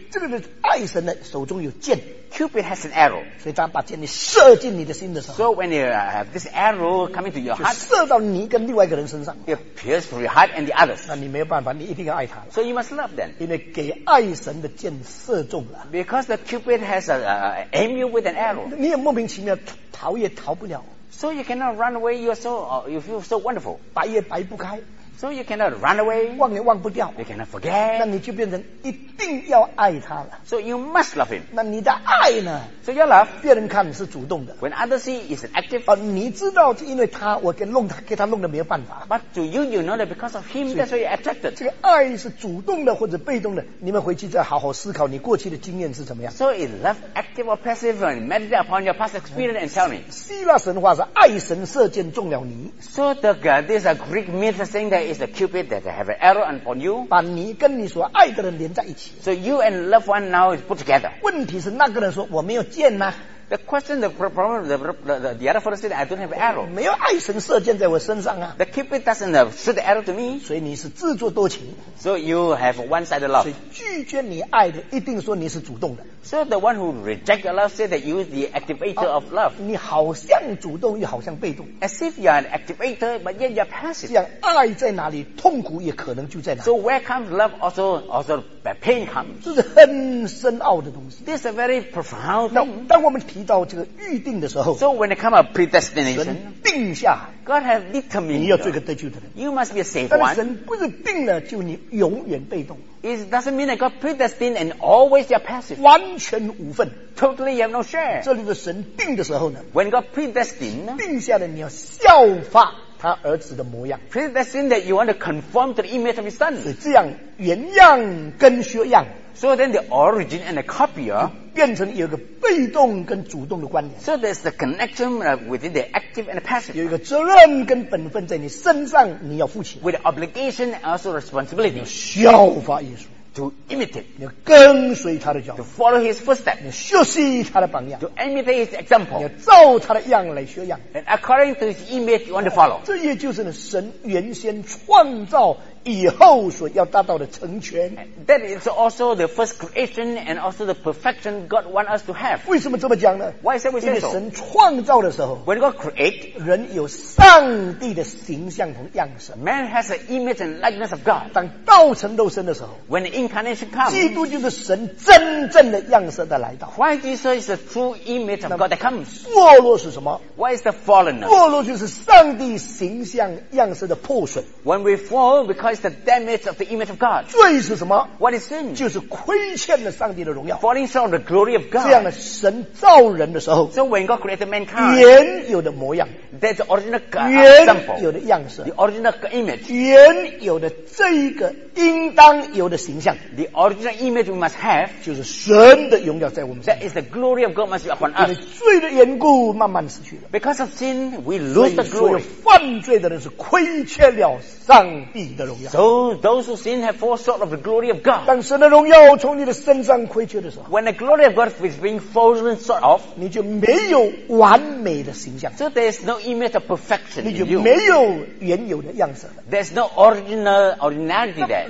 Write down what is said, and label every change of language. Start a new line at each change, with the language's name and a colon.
Chinese: 这个是爱神的手中有剑。
English: Cupid has an arrow.
Chinese: 所以当把剑射进你的心的时候。
English: So when you have this arrow coming to your heart.
Chinese: 射到你跟另外一个人身上。
English: It pierces through your heart and the others.
Chinese: 那你没有办法，你一定要爱他。
English: So you must love them.
Chinese: 因为给爱神的剑射中了。
English: Because the Cupid has aim you with an arrow.
Chinese: 你也莫名其妙逃也逃不了。
English: So you cannot run away. You feel so wonderful.
Chinese: 白也白不开。
English: So you cannot run away.
Chinese: 忘也忘不掉。
English: You cannot forget.
Chinese: 那你就变成一定要爱他了。
English: So you must love him.
Chinese: 那你的爱呢
English: ？So your love.
Chinese: 别人看你是主动的。
English: When others see, it's an active.
Chinese: 你知道是因为他，我给他弄的没有办法。
English: But do you know that because of him, that's why you're attracted.
Chinese: 这个爱是主动的或者被动的？你们回去再好好思考你过去的经验是怎么样。
English: So is love active or passive? Meditate upon your past experience and tell me.
Chinese: 希腊神话是爱神射箭中了你。
English: So the god is a Greek myth saying that. Is the cupid that have an arrow upon you?
Chinese: 把你跟你所爱的人连在一起。
English: So you and loved one now is put together.
Chinese: 问题是那个人说我没有箭呐。
English: The question, the problem, the other person said, I don't have arrow.
Chinese: 没有爱神射箭在我身上啊。
English: The cupid doesn't shoot the arrow to me.
Chinese: 所以你是自作多情。
English: So you have one-sided love.
Chinese: 所以拒绝你爱的一定说你是主动的。
English: So the one who reject your love said that you are the activator of love.
Chinese: 你好像主动又好像被动。
English: As if you are an activator, but yet you are passive.
Chinese: 这样爱在哪里，痛苦也可能就在哪里。
English: So where comes love, also pain comes.
Chinese: 这是很深奥的东西。
English: This is a very profound thing.
Chinese: 当我们提到这个预定的时候
English: ，So when it comes to predestination，
Chinese: 定下
English: ，God has determined，
Chinese: 你要做一个得救的人
English: ，You must be a saved one。
Chinese: 但是神不是定了就你永远被动
English: ，It doesn't mean that God predestined and always you're passive，
Chinese: 完全无份
English: ，Totally you have no share。
Chinese: 这里的神定的时候呢
English: ，When God predestined，
Chinese: 定下了你要效法他儿子的模样
English: ，Predestined that you want to conform to the image of His Son。
Chinese: 所以这样原样跟学样。
English: So then the origin and the copier
Chinese: 变成有一个被动跟主动的关联。
English: So there's the connection within the active and the passive.
Chinese: 有一个责任跟本分在你身上，你要负起。
English: With obligation and also responsibility.
Chinese: 你效法耶稣。
English: To imitate.
Chinese: 你跟随他的脚步。
English: To follow his footsteps.
Chinese: 你学习他的榜样。
English: To imitate his example.
Chinese: 你照他的样来学样。
English: And according to his image, you want to follow.
Chinese: 这也就是神原先创造。以后所要达到的成全
English: That is also the first creation and also the perfection God wants us to have.
Chinese: 为什么这么讲呢
English: Why is that we say so?
Chinese: 因为神创造的时候
English: When God create,
Chinese: 人有上帝的形象和样式
English: Man has an image and likeness of God.
Chinese: 当道成肉身的时候
English: When the incarnation comes,
Chinese: 基督就是神真正的样式的来到
English: Why Jesus is the true image of God that comes?
Chinese: 堕落是什么
English: Why is the fallenness?
Chinese: 堕落就是上帝形象样式的破损
English: When we fall, we becauseThe damage of the image of God.
Chinese: 罪是什么
English: What is sin?
Chinese: 就是亏欠了上帝的荣耀
English: Falling short of the glory of God.
Chinese: 这样的神造人的时候
English: So when God created mankind,
Chinese: 原有的模样
English: That's the original example.
Chinese: 原有的样式
English: The original image.
Chinese: 原有的这一个应当有的形象
English: The original image we must have.
Chinese: 就是神的荣耀在我们
English: That is the glory of God must be upon us.
Chinese: 因为罪的缘故慢慢失去了
English: Because of sin, we lose the glory.
Chinese: 所有犯罪的人是亏欠了上帝的荣耀
English: So those who sin have fallen short of the glory of God.
Chinese: 当神的荣耀从你的身上亏缺的时候
English: When the glory of God is being fallen short of,
Chinese: 你就没有完美的形象
English: So there is no image of perfection in you.
Chinese: 你就没有原有的样式
English: There is no originality there.